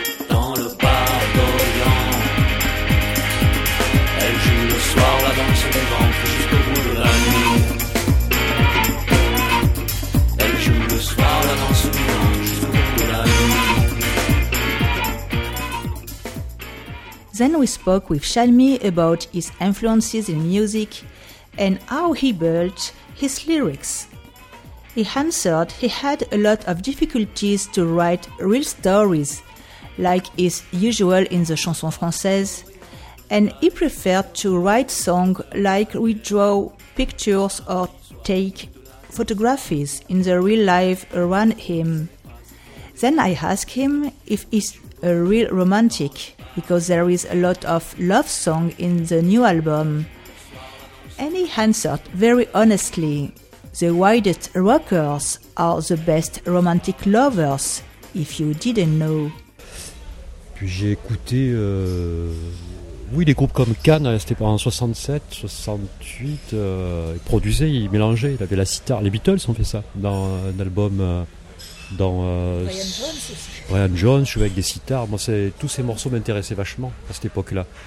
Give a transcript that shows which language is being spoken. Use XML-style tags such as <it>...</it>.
<fr>Dans le bar d'Orient, elle joue le soir la danse du ventre jusqu'au bout de la nuit. Elle joue le soir la danse du ventre jusqu'au bout de la nuit.</fr> <en>Then we spoke with Shalmi about his influences in music and how he built his lyrics. He answered he had a lot of difficulties to write real stories, like is usual in the chanson française, and he preferred to write songs like we draw pictures or take photographs in the real life around him. Then I asked him if he's a real romantic, because there is a lot of love song in the new album. And he answered very honestly, the widest rockers are the best romantic lovers, if you didn't know.</en> <fr>Puis j'ai écouté, des groupes comme Can, c'était en 67, 68, ils produisaient, ils mélangeaient, ils avaient la sitar, les Beatles ont fait ça, dans un album, Brian Jones, je jouais avec des sitars, moi c'est, tous ces morceaux m'intéressaient vachement à cette époque-là.</fr>